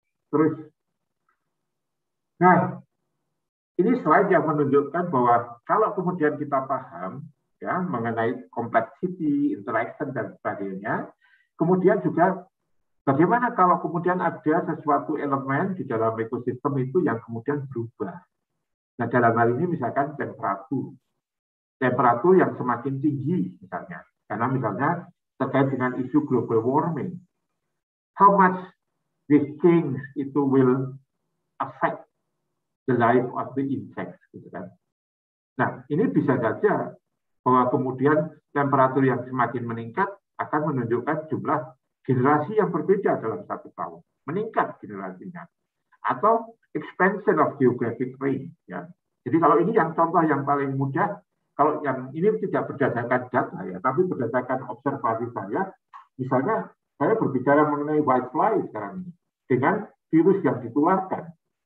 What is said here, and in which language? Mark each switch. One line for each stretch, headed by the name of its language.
Indonesian: Terus, nah, ini slide yang menunjukkan bahwa kalau kemudian kita paham ya mengenai complexity, interaction dan sebagainya, kemudian juga bagaimana kalau kemudian ada sesuatu elemen di dalam ekosistem itu yang kemudian berubah. Nah, dalam hal ini misalkan temperatur. Temperatur yang semakin tinggi misalnya. Karena misalnya terkait dengan isu global warming.
English: How much this change
Indonesian: itu
English: will affect the life of the insects.
Indonesian: Gitu kan? Nah, ini bisa saja bahwa kemudian temperatur yang semakin meningkat akan menunjukkan jumlah generasi yang berbeda dalam satu tahun. Meningkat generasinya. Atau
English: expansion of geographic range.
Indonesian: Ya. Jadi kalau ini yang contoh yang paling mudah, kalau yang ini tidak berdasarkan data, ya, tapi berdasarkan observasi saya, misalnya saya berbicara mengenai whitefly sekarang ini, dengan virus yang ditularkan.